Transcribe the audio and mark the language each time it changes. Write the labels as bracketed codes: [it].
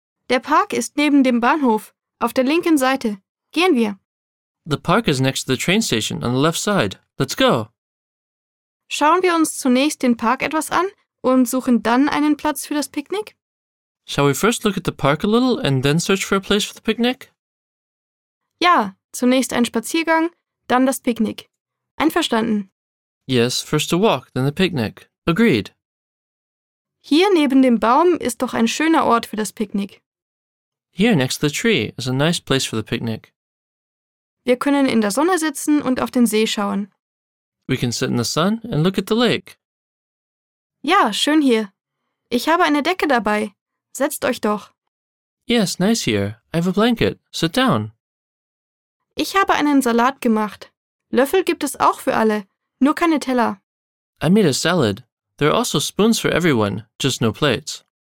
[de] Der Park ist neben dem Bahnhof, auf der linken Seite. Gehen wir. [en] The park is next to the train station, on the left side. Let's go. [de] Schauen wir uns zunächst den Park etwas an und suchen dann einen Platz für das Picknick? [en] Shall we first look at the park a little and then search for a place for the picnic? [de] Ja, zunächst ein Spaziergang, dann das Picknick. Einverstanden. [en] Yes, first a walk, then the picnic. Agreed. [de] Hier neben dem Baum ist doch ein schöner Ort für das Picknick. [en] Here next to the tree is a nice place for the picnic. [de] Wir können in der Sonne sitzen und auf den See schauen. [en] We can sit in the sun and look at the lake. [de] Ja, schön hier. Ich habe eine Decke dabei. Setzt euch doch. [en] Yes, nice here. I have a blanket. Sit down. [de] Ich habe einen Salat gemacht. Löffel gibt es auch für alle, nur keine Teller. [en] I made a salad. There are also spoons for everyone, just no plates.